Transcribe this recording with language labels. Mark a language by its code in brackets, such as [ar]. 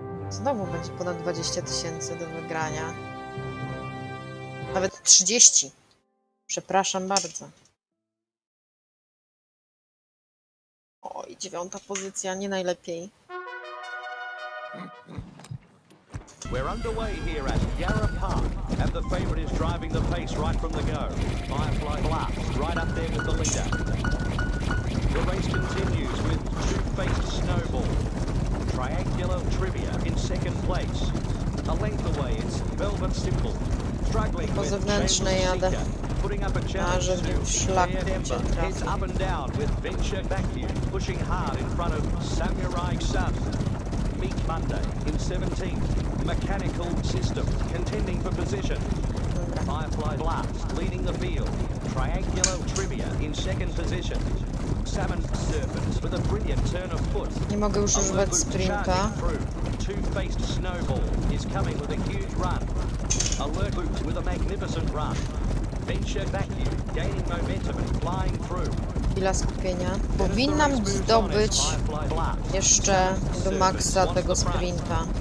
[pl] Znowu będzie ponad 20 tysięcy do wygrania. Nawet 30. Przepraszam bardzo. Oj, dziewiąta pozycja, nie najlepiej. [en] We're underway here at Yarra Park, and the favorite is driving the pace right from the go. Firefly Blast, right up there with the leader. The race continues with Two-Faced Snowball. Triangular Trivia in second place. A length away, it's Velvet Simple. Struggling with Chandler Seeker, putting up a challenge to Air Denver. It's up and down with Venture Vacuum, pushing hard in front of Samurai Sun. Meet Monday in 17th. Mechanical System contending for position. Firefly Blast leading the field. Triangular Trivia in second position. Salmon Serpent with a brilliant turn of foot. [pl] Nie mogę już używać sprinta. [en] Two-faced Snowball is coming with a huge run. Alert Boot with a magnificent run. Venture Vacuum gaining momentum and flying through. [pl] Chwila skupienia. Powinnam zdobyć jeszcze do maksa tego sprinta.